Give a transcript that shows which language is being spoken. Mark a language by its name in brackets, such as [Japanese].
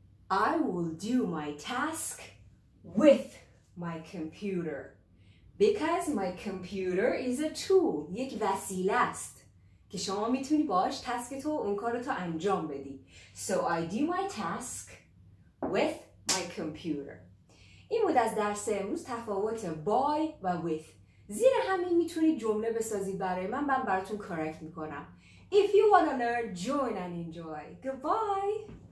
[English] I will do my task with my computer. Because my computer is a tool. [Persian] یک وسیله است که شما میتونی باش تسک تو اون کار تو انجام بدی. [English] So I do my task with my computer. [Persian] این بود از درس امروز تفاوت by و with. زیر همین میتونی جمله بسازی برای من. من براتون کارکت میکنم. [English] If you wanna learn, join and enjoy. Goodbye! [Persian] حالا من اینو میام با with میخوام در واقع